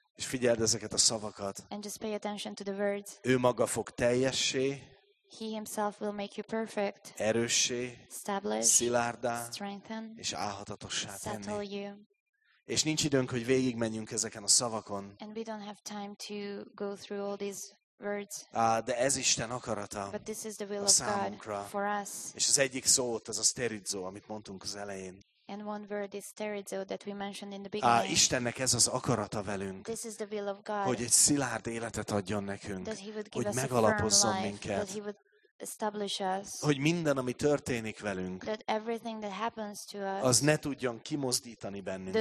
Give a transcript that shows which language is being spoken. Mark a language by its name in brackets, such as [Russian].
[Hungarian] És figyeld ezeket a szavakat. [English] And just pay attention to the words. [Hungarian] Ő maga fog teljessé. [English] He himself will make you perfect. [Hungarian] Erőssé. [English] Establish. [Hungarian] Szilárdá. [English] Strengthen. [Hungarian] És álhatatossá tenni. [English] Settle you. [Hungarian] És nincs időnk, hogy végigmenjünk ezeken a szavakon. [English] And we don't have time to go through all these words. [Hungarian] De ez Isten akarata. [English] But this is the will of God for us. [Hungarian] És az egyik szó ott, az a sterizo, amit mondtunk az elején. [English] And one word is sterizo that we mentioned in the beginning. [Hungarian] Istennek ez az akarata velünk. [English] This is the will of God. [Hungarian] Hogy egy szilárd életet adjon nekünk. [English] That he would give [Hungarian] hogy megalapozzon [English] life, [Hungarian] minket. [English] That he would establish us. [Hungarian] Hogy minden, ami történik velünk, [English] that everything that happens to us, [Hungarian] az ne tudjon kimozdítani bennünket,